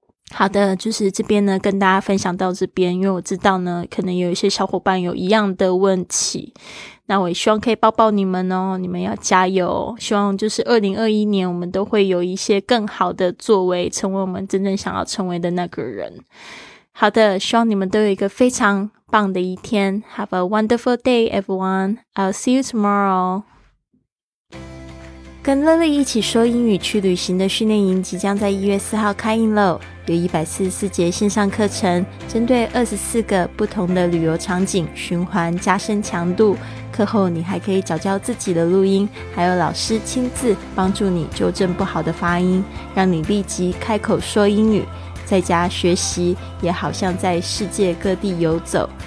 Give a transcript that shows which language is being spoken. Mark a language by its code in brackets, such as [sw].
[zh] 好的，就是这边呢跟大家分享到这边，因为我知道呢可能有一些小伙伴有一样的问题，那我也希望可以抱抱你们哦，你们要加油，希望就是2021年我们都会有一些更好的作为，成为我们真正想要成为的那个人。好的，希望你们都有一个非常棒的一天。 [en] Have a wonderful day everyone. I'll see you tomorrow. [zh] 跟乐乐一起说英语去旅行的训练营即将在1月4号开营了，有144节线上课程，针对24个不同的旅游场景循环加深强度，课后你还可以找教自己的录音，还有老师亲自帮助你纠正不好的发音，让你立即开口说英语，在家学习也好像在世界各地游走。